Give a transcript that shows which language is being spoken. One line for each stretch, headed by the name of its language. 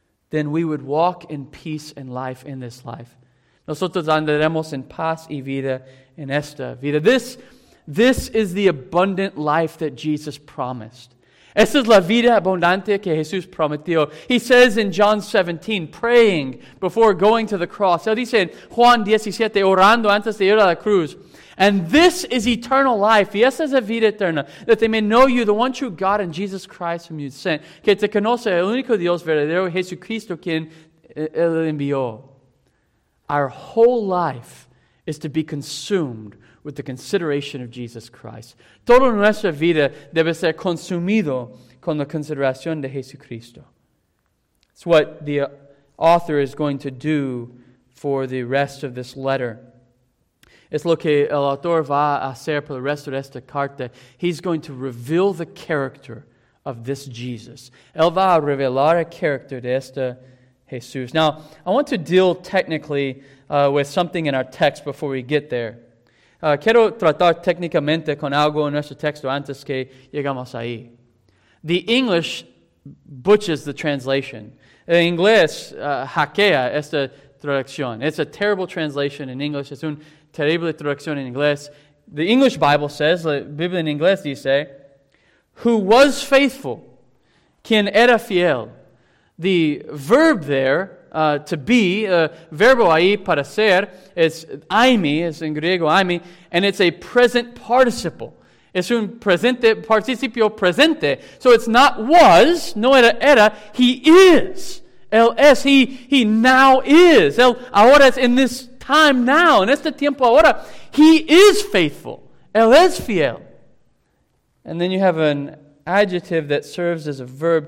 English: Then we would walk in peace and life in this life.
Spanish: Nosotros andaremos en paz y vida en esta vida.
English: This is the abundant life that Jesus promised.
Spanish: Esta es la vida abundante que Jesús prometió.
English: He says in John 17, praying before going to the cross.
Spanish: Él dice en Juan 17, orando antes de ir a la cruz.
English: And this is eternal life.
Spanish: Y esta es la vida eterna.
English: That they may know you, the one true God, and Jesus Christ whom you sent.
Spanish: Que te conoce el único Dios verdadero, Jesucristo, quien él envió.
English: Our whole life is to be consumed with the consideration of Jesus Christ.
Spanish: Toda nuestra vida debe ser consumido con la consideración de Jesucristo.
English: It's what the author is going to do for the rest of this letter.
Spanish: Es lo que el autor va a hacer por el resto de esta carta.
English: He's going to reveal the character of this Jesus.
Spanish: Él va a revelar el carácter de este Jesús.
English: Now, I want to deal technically with something in our text before we get there.
Spanish: Quiero tratar técnicamente con algo en nuestro texto antes que llegamos ahí.
English: The English butches the translation.
Spanish: En inglés, hackea esta traducción.
English: It's a terrible translation in English.
Spanish: Es una terrible traducción en inglés.
English: The English Bible says,
Spanish: la Biblia en inglés dice,
English: who was faithful,
Spanish: quien era fiel.
English: The verb there, to be,
Spanish: verbo ahí para ser, es aimi, es en griego aimi,
English: and it's a present participle.
Spanish: Es un presente, participio presente.
English: So it's not was,
Spanish: no era era,
English: he is.
Spanish: Él es,
English: he now is.
Spanish: Él ahora es
English: in this time now,
Spanish: en este tiempo ahora.
English: He is faithful.
Spanish: Él es fiel.
English: And then you have an adjective that serves as a verb.